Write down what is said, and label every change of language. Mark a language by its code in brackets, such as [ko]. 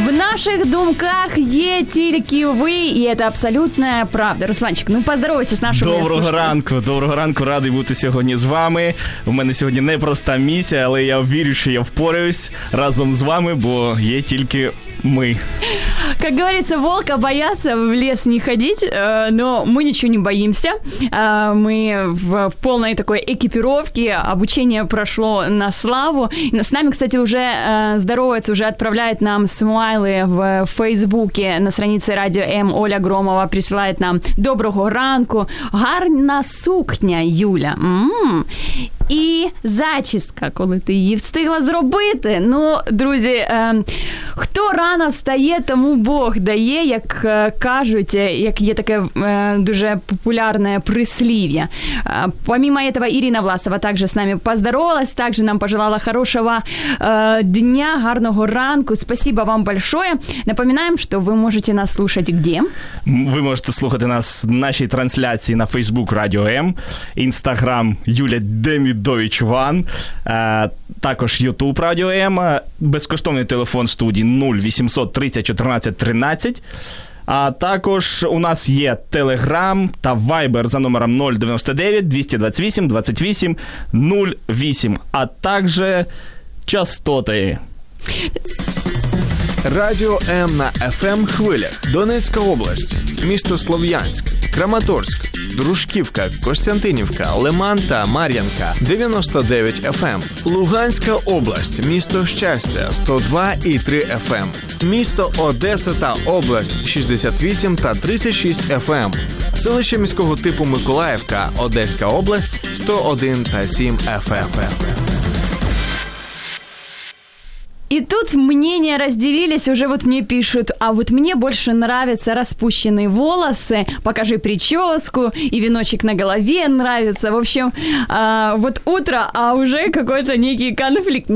[uk] наших думках є тільки ви, і це абсолютна правда. Русланчик, ну поздоровайся з нашими. Доброго ранку, радий бути сьогодні з вами. У мене сьогодні непроста місія, але я вірю, що я впораюсь разом з вами, бо є тільки ми. [ru] Как говорится, волка бояться в лес не ходить, но мы ничего не боимся. Мы в полной такой экипировке, обучение прошло на славу. С нами, кстати, уже здоровается, уже отправляет нам смайлы в Фейсбуке на странице Радио М. [uk] Оля Громова [ru] присылает нам [uk] «Доброго ранку», «Гарна сукня, Юля». І зачіска, коли ти її встигла зробити. Ну, друзі, хто рано встає, тому Бог дає, як кажуть, як є таке дуже популярне прислів'я. Помімо цього, Ірина Власова також з нами поздоровалась, також нам [ru] пожелала хорошого дня, [uk] гарного ранку. [ru] Спасибо вам большое. [uk] Напоминаємо, що ви можете нас слухати [ru] где? [uk] Ви можете слухати нас в нашій трансляції на Facebook Radio M, Instagram Юля Демід Дович Ван, також YouTube Радіо М, безкоштовний телефон студії 0800 30 14 13, а також у нас є Telegram та Viber за номером 099 228 28 08, а також частоти. Радіо М на FM хвилях. Донецька область, місто Слов'янськ, Краматорськ, Дружківка, Костянтинівка, Лиман та Мар'янка, 99 FM. Луганська область, місто Щастя, 102.3 FM. Місто Одеса та область, 68 та 36 FM. Селище міського типу Миколаївка, Одеська область, 101 та 7 FM. [ru] И тут мнения разделились, уже вот мне пишут, а вот мне больше нравятся распущенные волосы, покажи прическу, и веночек на голове нравится. В общем, вот утро, а уже какой-то некий конфликт.